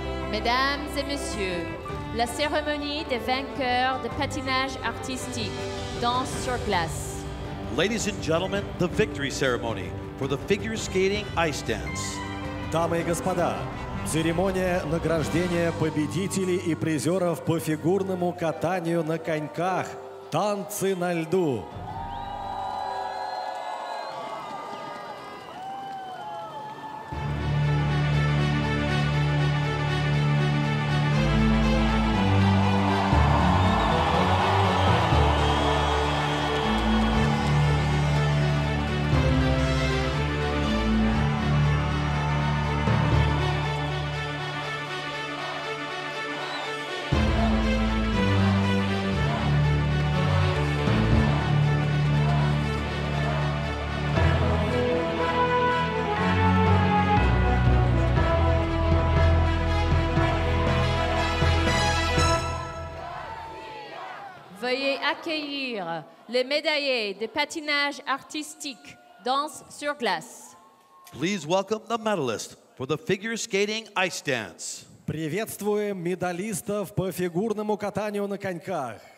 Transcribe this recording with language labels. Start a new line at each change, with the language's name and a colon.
French: Mesdames et messieurs, la cérémonie des vainqueurs de patinage artistique danse sur glace.
English: Ladies and gentlemen, the victory ceremony for the figure skating ice dance.
Russian: Дамы и господа, церемония награждения победителей и призеров по фигурному катанию на коньках. Танцы на льду.
English: Thank you.
French: Veuillez accueillir les médaillés de patinage artistique, danse sur glace.
English: Please welcome the medalist for the figure skating ice dance.
Russian: Приветствуем медалистов по фигурному катанию на коньках.